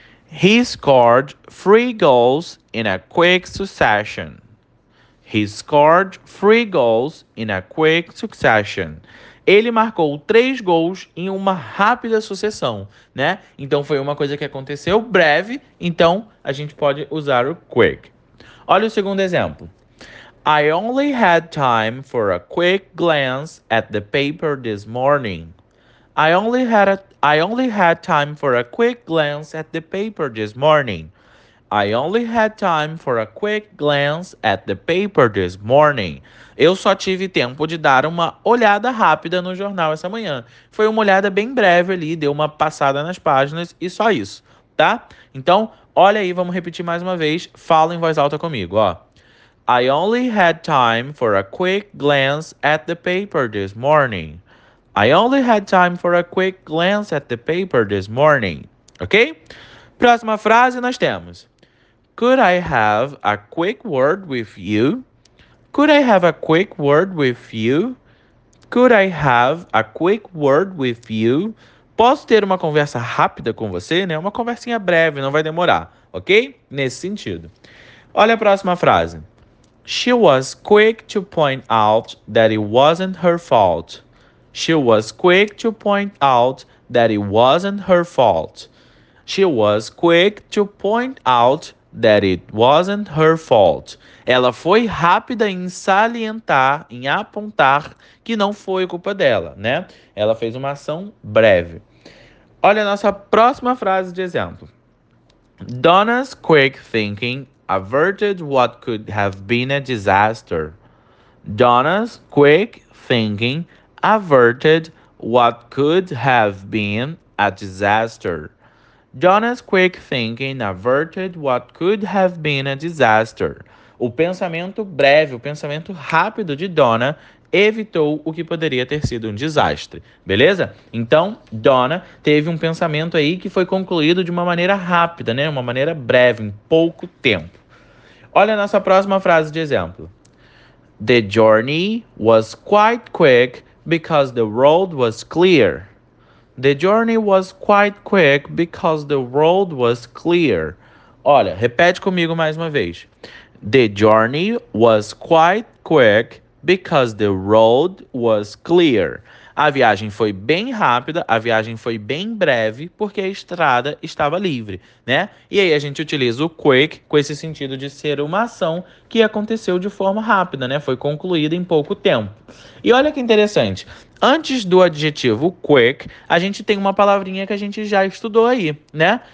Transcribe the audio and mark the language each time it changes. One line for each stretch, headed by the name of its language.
English: He scored 3 goals in a quick succession. He scored 3 goals in a quick succession.
Portuguese: Ele marcou 3 gols em uma rápida sucessão, né? Então foi uma coisa que aconteceu breve, então a gente pode usar o quick. Olha o segundo exemplo.
English: I only had time for a quick glance at the paper this morning. I only had time for a quick glance at the paper this morning. I only had time for a quick glance at the paper this morning.
Portuguese: Eu só tive tempo de dar uma olhada rápida no jornal essa manhã. Foi uma olhada bem breve ali, deu uma passada nas páginas e só isso, tá? Então, olha aí, vamos repetir mais uma vez. Fala em voz alta comigo, ó.
English: I only had time for a quick glance at the paper this morning. I only had time for a quick glance at the paper this morning. Ok?
Portuguese: Próxima frase nós temos.
English: Could I have a quick word with you? Could I have a quick word with you? Could I have a quick word with you?
Portuguese: Posso ter uma conversa rápida com você, né? Uma conversinha breve, não vai demorar, ok? Nesse sentido. Olha a próxima frase.
English: She was quick to point out that it wasn't her fault. She was quick to point out that it wasn't her fault. She was quick to point out that it wasn't her fault.
Portuguese: Ela foi rápida em salientar, em apontar que não foi culpa dela, né? Ela fez uma ação breve. Olha a nossa próxima frase de exemplo.
English: Donna's quick thinking averted what could have been a disaster. Donna's quick thinking averted what could have been a disaster. Donna's quick thinking averted what could have been a disaster.
Portuguese: O pensamento breve, o pensamento rápido de Donna evitou o que poderia ter sido um desastre, beleza? Então, Donna teve um pensamento aí que foi concluído de uma maneira rápida, né? Uma maneira breve, em pouco tempo. Olha a nossa próxima frase de exemplo.
English: The journey was quite quick because the road was clear. The journey was quite quick because the road was clear.
Portuguese: Olha, repete comigo mais uma vez.
English: The journey was quite quick because the road was clear.
Portuguese: A viagem foi bem rápida, a viagem foi bem breve, porque a estrada estava livre, né? E aí a gente utiliza o quick com esse sentido de ser uma ação que aconteceu de forma rápida, né? Foi concluída em pouco tempo. E olha que interessante. Antes do adjetivo quick, a gente tem uma palavrinha que a gente já estudou aí, né?